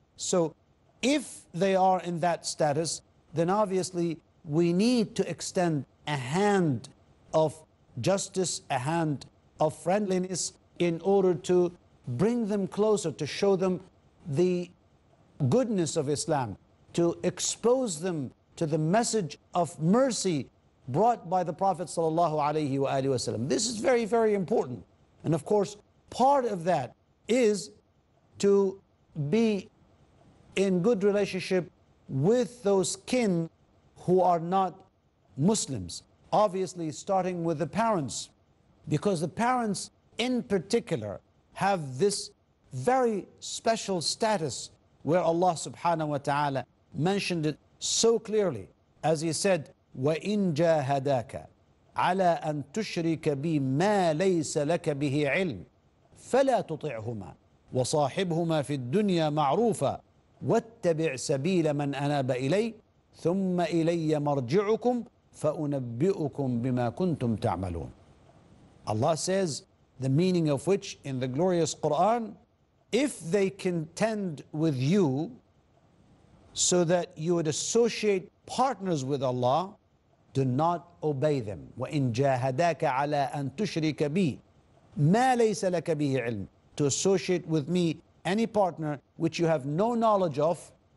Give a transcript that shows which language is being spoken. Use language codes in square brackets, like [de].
[en] So if they are in that status, then obviously we need to extend a hand of justice, a hand of friendliness, in order to bring them closer, to show them the goodness of Islam, to expose them to the message of mercy brought by the Prophet sallallahu alaihi wa alihi wasallam. This is very, very important. And of course, part of that is to be in good relationship with those kin who are not Muslims. Obviously, starting with the parents, because the parents in particular have this very special status where Allah subhanahu wa ta'ala mentioned it so clearly, as he said, [ar] وَإِن جَاهَدَاكَ عَلَىٰ أَن تُشْرِكَ بِي مَا لَيْسَ لَكَ بِهِ عِلْمٍ فَلَا تُطِعْهُمَا وَصَاحِبْهُمَا فِي الدُّنْيَا مَعْرُوفًا وَاتَّبِعْ سَبِيلَ مَنْ أَنَابَ إِلَيَّ ثُمَّ إِلَيَّ مَرْجِعُكُمْ فَأُنَبِّئُكُمْ بِمَا كُنْتُمْ تَعْمَلُونَ. [en] Allah says, the meaning of which in the glorious Quran, if they contend with you so that you would associate partners with Allah, do not obey them. [ar] وَإِن جَاهَدَاكَ عَلَىٰ أَن تُشْرِكَ بِي مَا لَيْسَ لَكَ بِهِ عِلْمٍ, [en] to associate with me any partner which you have no knowledge of.